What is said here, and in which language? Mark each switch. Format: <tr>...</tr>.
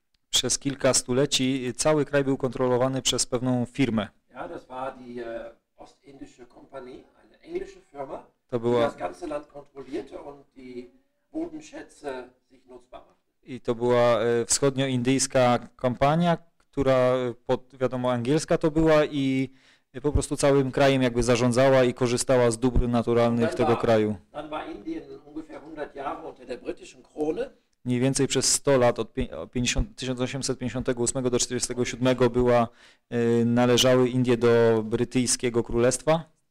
<pl>Przez kilka stuleci cały kraj był kontrolowany przez pewną firmę.</pl> <de>Ja, das war die Ostindische Kompanie, eine englische Firma,</de> <pl>to była,</pl> <de>die das ganze Land kontrollierte und die Bodenschätze sich nutzbar machte.</de> <pl>I to była wschodnioindyjska kompania, która pod, wiadomo, angielska to była i po prostu całym krajem jakby zarządzała i korzystała z dóbr naturalnych tego kraju.</pl> <de>Dann war Indien ungefähr 100 Jahre unter der britischen Krone.</de> <pl>Mniej więcej przez 100 lat, od 1858 do 1847 była, należały Indie do brytyjskiego królestwa.</pl>